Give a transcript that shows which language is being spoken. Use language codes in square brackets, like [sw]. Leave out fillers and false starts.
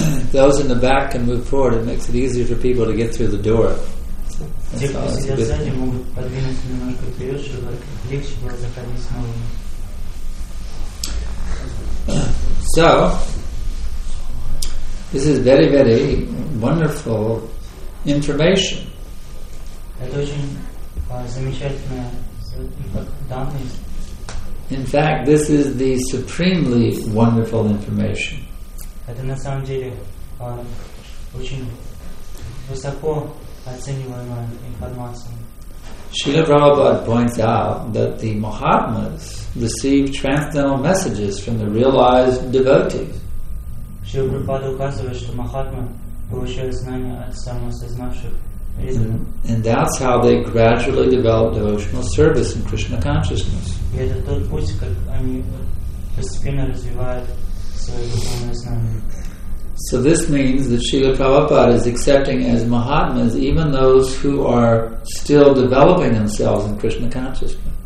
[en] Those in the back can move forward. It makes it easier for people to get through the door. [ru] Те, кто сидят сзади, могут подвинуться немножко вперед, чтобы легче было заходить снова. [en] So, this is very, very wonderful information. [ru] Это очень замечательная данная. [en] In fact, this is the supremely wonderful information. [ru] Это на самом деле очень высоко оцениваемая информация. [en] Srila Prabhupada points out that the Mahatmas receive transcendental messages from the realized devotees. [ru] Srila Prabhupada указывает, что Махатмы получают знания от самосознавших преданных. [en] And that's how they gradually develop devotional service in Krishna consciousness. [ru] И это тот путь, как они постепенно развивают свое духовное знание. [en] So this means that Srila Prabhupada is accepting as Mahatmas even those who are still developing themselves in Krishna consciousness.